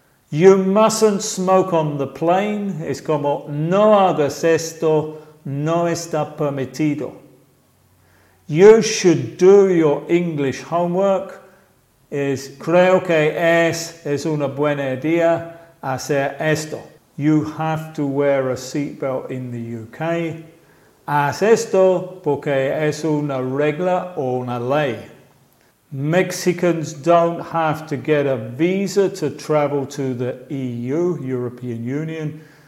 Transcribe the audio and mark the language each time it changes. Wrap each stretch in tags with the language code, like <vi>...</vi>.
<en>You mustn't smoke on the plane.</en> <es>Es como no hagas esto, no está permitido.</es> <en>You should do your English homework.</en> <es>Creo que es una buena idea hacer esto.</es> <en>You have to wear a seatbelt in the UK.</en> <es>Haz esto porque es una regla o una ley.</es> <en>Mexicans don't have to get a visa to travel to the EU, European Union.</en>